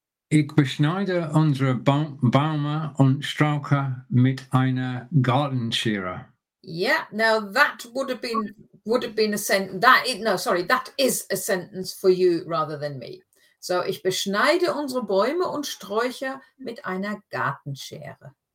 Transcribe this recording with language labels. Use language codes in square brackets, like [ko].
[de] Ich beschneide unsere Bäume und Strauche mit einer Gartenschere. [en] Yeah, now that would have been a sentence. That is a sentence for you rather than me. [de] So, ich beschneide unsere Bäume und Sträucher mit einer Gartenschere.